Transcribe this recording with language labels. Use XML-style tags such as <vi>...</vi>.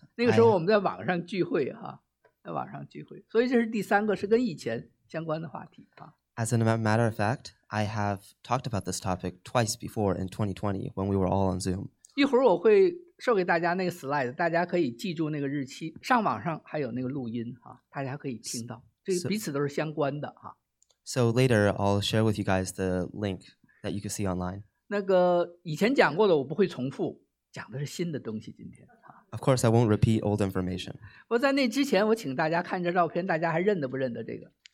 <zh>那个时候我们在网上聚会哈，在网上聚会，所以这是第三个，是跟以前。</zh> <en>As a matter of fact, I have talked about this topic twice before in 2020 when we were all on Zoom.</en> <zh>一会儿我会授给大家那个 slide， 大家可以记住那个日期，上网上还有那个录音哈，大家可以听到，这彼此都是相关的哈。</zh> <en>So later, I'll share with you guys the link that you can see online.</en> <zh>那个以前讲过的我不会重复，讲的是新的东西今天。</zh> <en>Of course, I won't repeat old information.</en> <zh>我在那之前，我请大家看这照片，大家还认得不认得这个？</zh>